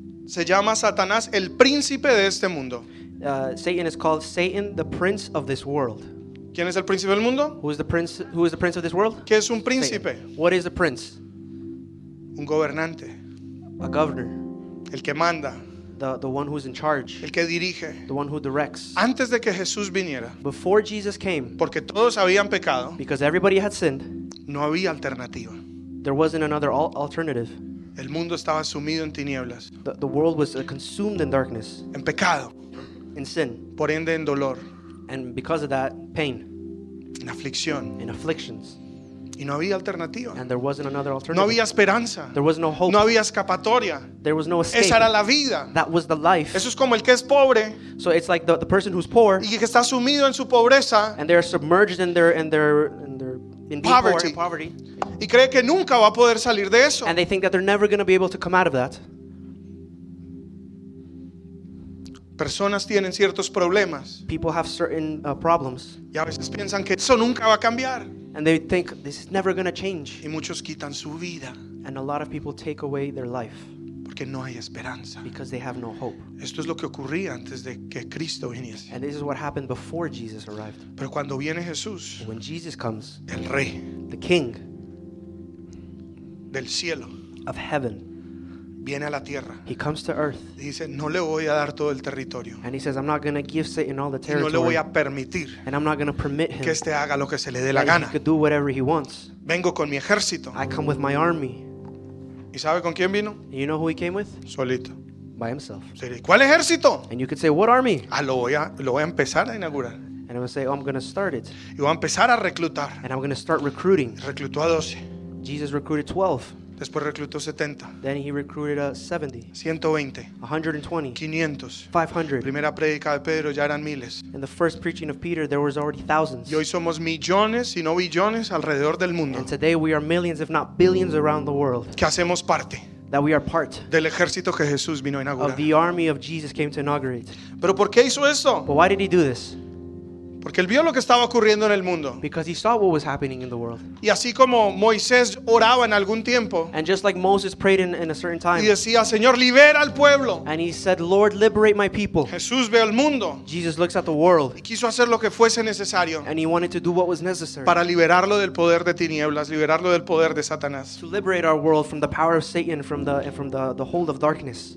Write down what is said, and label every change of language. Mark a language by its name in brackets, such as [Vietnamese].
[Spanish] se llama Satanás el príncipe de este mundo. [English] Satan is called Satan, the prince of this world. [Spanish] ¿Quién es el príncipe del mundo? [English] Who is the prince of this world? [Spanish] ¿Qué es un príncipe? [English] Satan. What is a prince? [Spanish] Un gobernante. [English] A governor. [Spanish] El que manda. [English] The one who's in charge. [Spanish] El que dirige. [English] The one who directs. [Spanish] Antes de que Jesús viniera. [English] Before Jesus came. [Spanish] Porque todos habían pecado. [English] Because everybody had sinned. [Spanish] No había alternativa. [English] There wasn't another alternative. [Spanish] El mundo estaba sumido en tinieblas. [English] The world was consumed in darkness. [Spanish] En pecado. [English] In sin. [Spanish] Por ende, en dolor. [English] And because of that, pain. [Spanish] En aflicción. [English] In afflictions. [Spanish] Y no había alternativa. [English] And there wasn't another alternative. [Spanish] No había esperanza. [English] There was no hope. [Spanish] No había escapatoria. [English] There was no escape. [Spanish] Esa era la vida. [English] That was the life. [Spanish] Eso es como el que es pobre. [English] So it's like the person who's poor. [Spanish] Y que está sumido en su pobreza. [English] And they're submerged in poverty. Poor, in poverty. [Spanish] Y cree que nunca va a poder salir de eso. [English] And they think that they're never going to be able to come out of that. [Spanish] Personas tienen ciertos problemas. [English] People have certain problems. [Spanish] Y a veces piensan que eso nunca va a cambiar. [English] And they think this is never going to change. [Spanish] Y muchos quitan su vida. [English] And a lot of people take away their life. [Spanish] Porque no hay esperanza. [English] Because they have no hope. [Spanish] Esto es lo que ocurría antes de que Cristo viniese. [English] And this is what happened before Jesus arrived. [Spanish] Pero cuando viene Jesús. [English] When Jesus comes. [Spanish] El Rey. [English] The King. [Spanish] Del cielo. [English] Of heaven. [Spanish] Viene a la tierra. [English] He comes to earth. [Spanish] Y dice, no le voy a dar todo el territorio. [English] And he says, I'm not going to give Satan all the territory. [Spanish] Y no le voy a permitir. [English] And I'm not going to permit him. [Spanish] Que este haga lo que se le dé la gana. [English] He could do whatever he wants. [Spanish] Vengo con mi ejército. [English] I come with my army. [Spanish] ¿Y sabe con quién vino? [English] And you know who he came with? [Spanish] Solito. [English] By himself. [Spanish] ¿Cuál ejército? [English] And you could say, what army? [Spanish] Ah, lo voy a empezar a inaugurar. [English] And I'm going to say, oh, I'm going to start it. [Spanish] Y voy a empezar a reclutar. [English] And I'm going to start recruiting. [Spanish] Reclutó a 12. [English] Jesus recruited 12. [Spanish] Después reclutó 70. [English] Then he recruited 70. [Spanish] 120. [English] 120. [Spanish] 500. [English] 500. [Spanish] Primera predica de Pedro ya eran miles. [English] In the first preaching of Peter, there was already thousands. [Spanish] Y hoy somos millones, si no billones, alrededor del mundo. [English] And today we are millions, if not billions, around the world. [Spanish] Que hacemos parte. [English] That we are part [Spanish] del ejército que Jesús vino a inaugurar. [English] Of the army of Jesus came to inaugurate. [Spanish] Pero ¿por qué hizo eso? [English] But why did he do this? [Spanish] Porque él vio lo que estaba ocurriendo en el mundo. [English] Because he saw what was happening in the world. [Spanish] Y así como Moisés oraba en algún tiempo. [English] And just like Moses prayed in a certain time. [Spanish] Y decía, Señor, libera al pueblo. [English] And he said, Lord, liberate my people. [Spanish] Jesús ve el mundo. [English] Jesus looks at the world. [Spanish] Y quiso hacer lo que fuese necesario. [English] And he wanted to do what was necessary. [Spanish] Para liberarlo del poder de tinieblas, liberarlo del poder de Satanás. [English] To liberate our world from the power of Satan, from the hold of darkness.